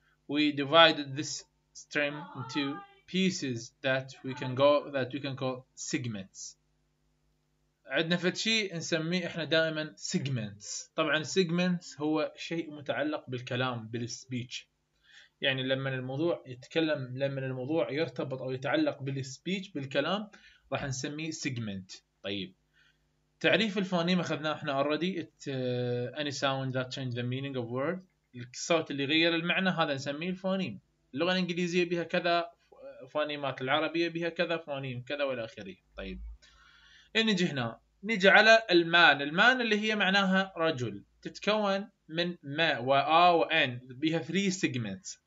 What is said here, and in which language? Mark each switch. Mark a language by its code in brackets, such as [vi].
[en] We divided this stream into pieces that we can call segments. [ar] عندنا فتشي نسميه احنا دائما segments. طبعا segments هو شيء متعلق بالكلام بالسبيتش. يعني لما الموضوع يرتبط او يتعلق بالسبيتش بالكلام راح نسميه segment. طيب تعريف الفونيم اخذناه احنا [en] already. Any sound that change the meaning of word. [ar] الصوت اللي غير المعنى هذا نسميه الفونيم. اللغة الانجليزية بها كذا, فونيمات العربية بها كذا, فونيم كذا ولا آخره. طيب نجي هنا, نجي على المان. المان اللي هي معناها رجل, تتكون من ما و آ و ان, بها 3 سيجمنت.